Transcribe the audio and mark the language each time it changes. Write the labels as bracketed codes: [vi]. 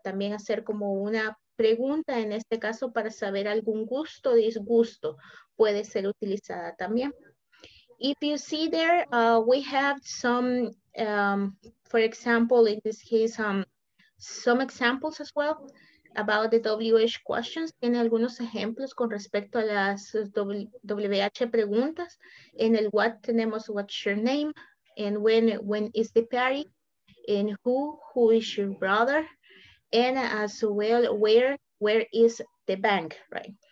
[es] También hacer como una pregunta en este caso para saber algún gusto o disgusto puede ser utilizada también. [en] If you see there, we have some, for example, in this case, some examples as well about the WH questions. [es] Tiene algunos ejemplos con respecto a las WH preguntas. En el [en] what [es] tenemos [en] what's your name and when is the party. In who is your brother, and as well, where is the bank, right?